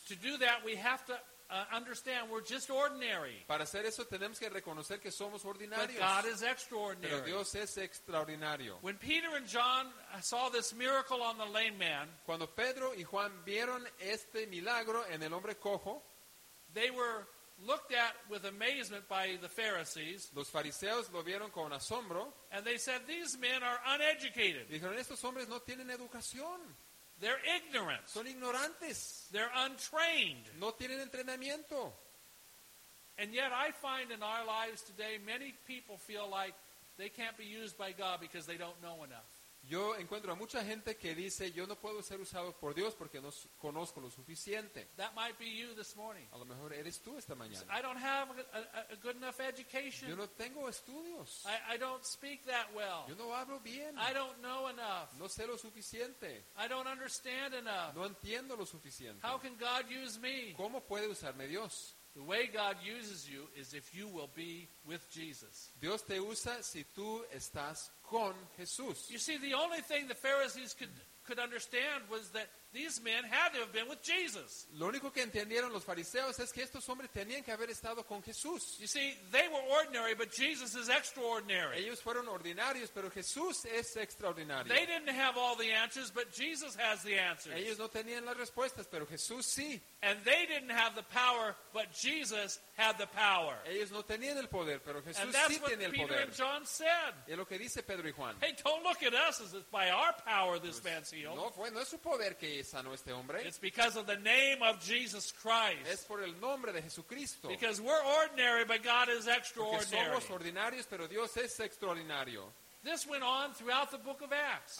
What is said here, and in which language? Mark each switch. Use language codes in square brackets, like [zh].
[en] To do that, we have to understand we're just ordinary. [es] Para hacer eso, tenemos que reconocer que somos ordinarios. [en] But God is extraordinary. [es] Pero Dios es extraordinario. [en] When Peter and John saw this miracle on the lame man, [es] cuando Pedro y Juan vieron este milagro en el hombre cojo, [en] they were looked at with amazement by the Pharisees. [es] Los fariseos lo vieron con asombro. [en] And they said, these men are uneducated. [es] Dijeron, estos hombres no tienen educación. [en] They're ignorant. [es] Son ignorantes. [en] They're untrained. [es] No tienen entrenamiento. [en] And yet I find in our lives today, many people feel like they can't be used by God because they don't know enough. [es] Yo encuentro a mucha gente que dice, yo no puedo ser usado por Dios porque no conozco lo suficiente. [en] That might be you this morning. [es] A lo mejor eres tú esta mañana. [en] I don't have a good enough education. [es] Yo no tengo estudios. [en] I don't speak that well. [es] Yo no hablo bien. [en] I don't know enough. [es] No sé lo suficiente. [en] I don't understand enough. [es] No entiendo lo suficiente. [en] How can God use me? [es] ¿Cómo puede usarme Dios? [en] The way God uses you is if you will be with Jesus. [es] Dios te usa si tú estás con Jesús. [en] You see, the only thing the Pharisees could understand was that these men had to have been with Jesus. [es] Lo único que entendieron los fariseos es que estos hombres tenían que haber estado con Jesús. [en] You see, they were ordinary, but Jesus is extraordinary. [es] Ellos fueron ordinarios, pero Jesús es extraordinario. [en] They didn't have all the answers, but Jesus has the answers. [es] Ellos no tenían las respuestas, pero Jesús sí. [en] And they didn't have the power, but Jesus had the power. [es] Ellos no tenían el poder, pero Jesús sí tiene el poder. [en] And that's what Peter and John said. [es] Y lo que dice Pedro y Juan. [en] Hey, don't look at us as if by our power this man healed. [es] No, fue, no es su poder que sanó este hombre. [en] It's because of the name of Jesus Christ. [es] Es por el nombre de Jesucristo. [en] Because we're ordinary, but God is extraordinary. [es] Porque somos ordinarios, pero Dios es extraordinario. [en] This went on throughout the book of Acts.